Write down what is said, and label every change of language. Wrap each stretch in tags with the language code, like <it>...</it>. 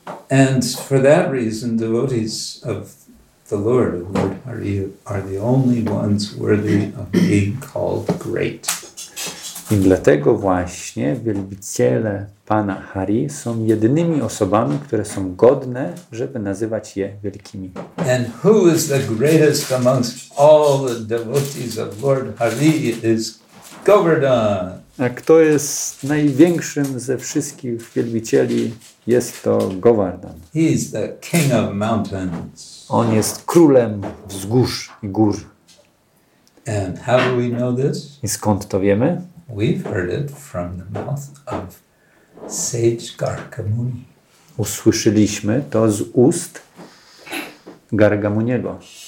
<en>And for that reason, devotees of the Lord, of Lord Hari, are the only ones worthy of being called great.</en> <pl>I dlatego właśnie wielbiciele Pana Hari są jedynymi osobami, które są godne, żeby nazywać je wielkimi.</pl> <en>And who is the greatest amongst all the devotees of Lord Hari is Govardhan.</en> <pl>A kto jest największym ze wszystkich wielbicieli? Jest to Govardhan.</pl> <en>He is the king of mountains.</en> <pl>On jest królem wzgórz i gór.</pl> <en>And how do we know this?</en> <pl>I skąd to wiemy?</pl> <en>We've heard it from the mouth of sage Garga-muni.</en> <pl>Usłyszeliśmy to z ust Garga-muniego.</pl>